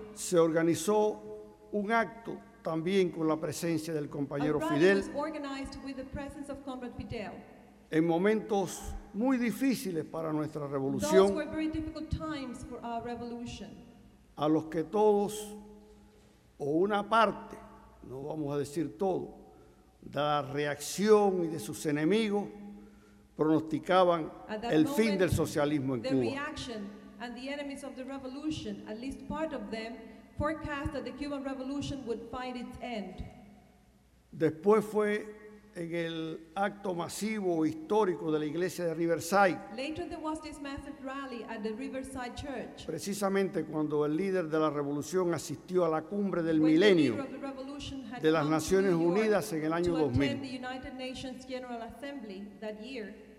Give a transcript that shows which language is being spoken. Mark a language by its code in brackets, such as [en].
[es] se organizó un acto también con la presencia del compañero Fidel, [en] was organized with the presence of Comrade Fidel. [es] En momentos muy difíciles para nuestra revolución, [en] those were very difficult times for our revolution, [es] a los que todos, o una parte, no vamos a decir todo, de la reacción y de sus enemigos, pronosticaban el fin del socialismo en Cuba. [en] The reaction and the enemies of the revolution, at least part of them, forecast that the Cuban revolution would find its end. [es] Después fue en el acto masivo histórico de la iglesia de Riverside. [en] Later there was this massive rally at the Riverside Church. [es] Precisamente cuando el líder de la revolución asistió a la cumbre del milenio de las Naciones Unidas en el año 2000. [en] To attend the United Nations General Assembly that year.